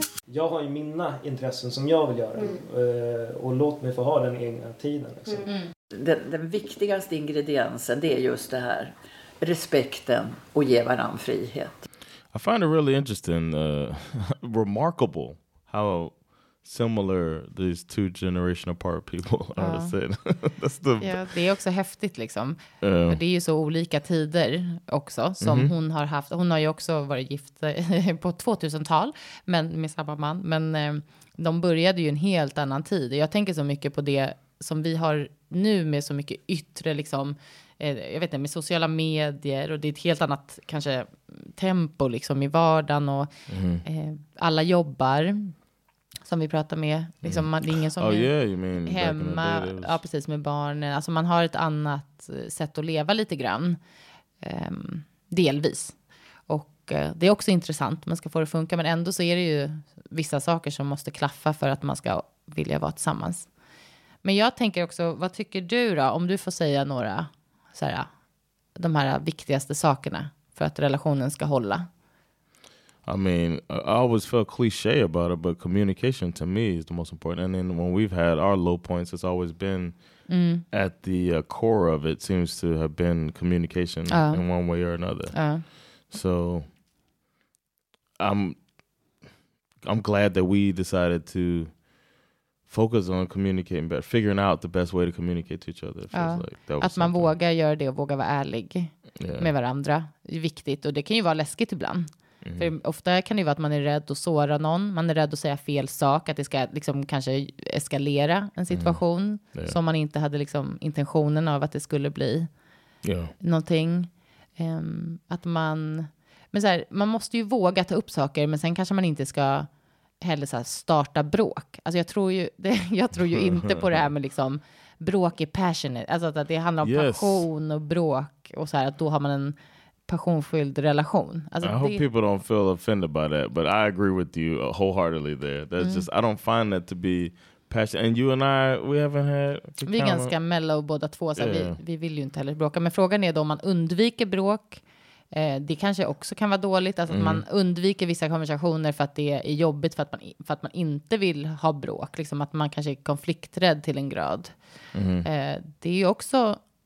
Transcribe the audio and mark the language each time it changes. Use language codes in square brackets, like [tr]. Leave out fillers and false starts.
[sv] Jag har ju mina intressen som jag vill göra. Och låt mig få ha den egna tiden. Liksom. Den viktigaste ingrediensen, det är just det här. Respekten och ge varandra frihet. [en] I find it really interesting, remarkable how similar these two generation apart people are. [sv] Det är också häftigt liksom. Det är ju så olika tider också som hon har haft. Hon har ju också varit gift på 2000-tal, men med samma man. Men de började ju en helt annan tid. Jag tänker så mycket på det som vi har nu med så mycket yttre liksom, jag vet inte, med sociala medier, och det är ett helt annat kanske tempo liksom i vardagen, och alla jobbar som vi pratar med liksom, man, det är ingen som hemma, ja precis, med barnen, alltså man har ett annat sätt att leva lite grann, delvis, och det är också intressant. Man ska få det att funka. Men ändå så är det ju vissa saker som måste klaffa för att man ska vilja vara tillsammans. Men jag tänker också, vad tycker du då? Om du får säga några så här, de här viktigaste sakerna för att relationen ska hålla. [en] I mean, I always felt cliche about it, but communication to me is the most important. And then when we've had our low points, it's always been at the core of it seems to have been communication in one way or another. So I'm glad that we decided to focus on communicating better, figuring out the best way to communicate to each other. It feels like that was something. [sv] Att man vågar göra det och vågar vara ärlig med varandra är viktigt. Och det kan ju vara läskigt ibland. Mm. För ofta kan det ju vara att man är rädd att såra någon. Man är rädd att säga fel sak. Att det ska liksom kanske eskalera en situation. Som man inte hade liksom intentionen av att det skulle bli någonting. Att man... Men så här, man måste ju våga ta upp saker. Men sen kanske man inte ska heller så här starta bråk. Alltså jag tror ju inte på det här med liksom bråk är passionate. Alltså att det handlar om passion och bråk. Och så här, att då har man en... passionfylld relation. Alltså [en] I hope people don't feel offended by that, but I agree with you wholeheartedly there. That's just, I don't find that to be passionate. And you and I, we haven't had... [sv] Vi är ganska mellow båda två. Så vi vill ju inte heller bråka. Men frågan är då om man undviker bråk. Det kanske också kan vara dåligt. Alltså att man undviker vissa konversationer för att det är jobbigt för att man inte vill ha bråk. Liksom att man kanske är konflikträdd till en grad. Det är ju också...